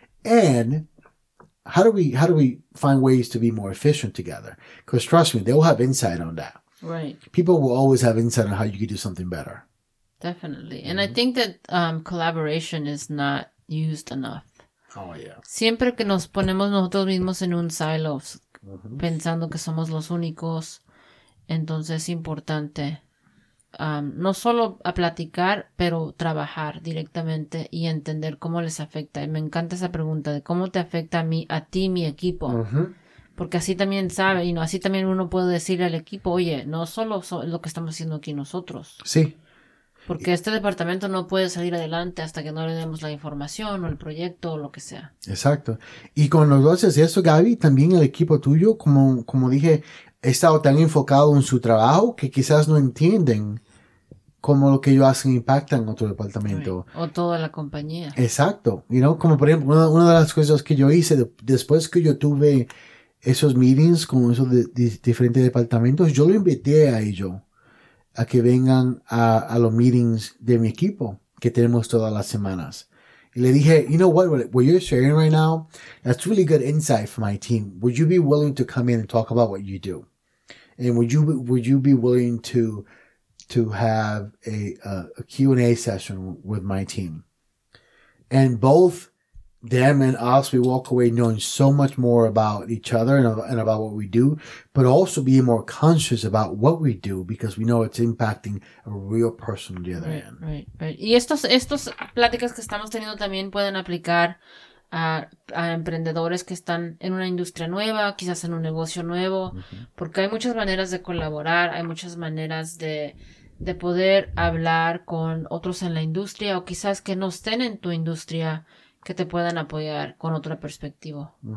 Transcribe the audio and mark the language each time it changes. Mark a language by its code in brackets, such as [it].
[en] And how do we find ways to be more efficient together? Because trust me, they will have insight on that. Right. People will always have insight on how you could do something better. Definitely. Mm-hmm. And I think that collaboration is not used enough. Oh, yeah. [es] Siempre que nos ponemos nosotros mismos en un silo, mm-hmm. pensando que somos los únicos, entonces es importante no solo a platicar, pero trabajar directamente y entender cómo les afecta. Y me encanta esa pregunta de cómo te afecta a ti, mi equipo. Mm-hmm. Porque así también sabe, y así también uno puede decirle al equipo, oye, no solo lo que estamos haciendo aquí nosotros. Sí. Porque este departamento no puede salir adelante hasta que no le demos la información o el proyecto o lo que sea. Exacto. Y cuando lo haces eso, Gaby, también el equipo tuyo, como dije, he estado tan enfocado en su trabajo que quizás no entienden cómo lo que ellos hacen impacta en otro departamento. O toda la compañía. Exacto. Como por ejemplo, una de las cosas que yo hice después que yo tuve esos meetings con esos diferentes departamentos, yo lo invité a ellos a que vengan a los meetings de mi equipo que tenemos todas las semanas. Y le dije, [en] what you're sharing right now, that's really good insight for my team. Would you be willing to come in and talk about what you do? And would you be willing to have a Q&A session with my team? And both them and us, we walk away knowing so much more about each other and about what we do, but also being more conscious about what we do because we know it's impacting a real person on the other end. [es] Right. Y estos pláticas que estamos teniendo también pueden aplicar a emprendedores que están en una industria nueva, quizás en un negocio nuevo, porque hay muchas maneras de colaborar, hay muchas maneras de poder hablar con otros en la industria o quizás que no estén en tu industria que te puedan apoyar con otra perspectiva.